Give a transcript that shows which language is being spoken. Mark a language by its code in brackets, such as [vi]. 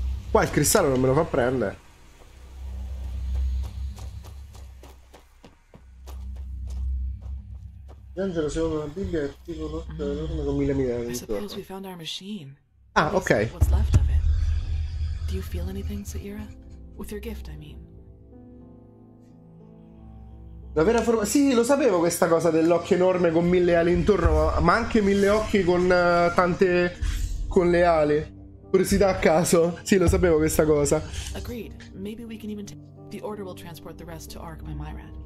[it] Qua il cristallo non me lo fa prendere. Angelo, secondo la Bibbia, è tipo enorme con mille miglia di [en] suppose we found our machine. Ah, ok. What's left of it? Do you feel anything, Saira? With your gift, I mean. [it] La vera forma... Sì, lo sapevo questa cosa dell'occhio enorme con mille ali intorno, ma anche mille occhi con tante... con le ali. Curiosità a caso. Sì, lo sapevo questa cosa. [en] Agreed. Maybe we can even take... The order will transport the rest to Ark by Myrad.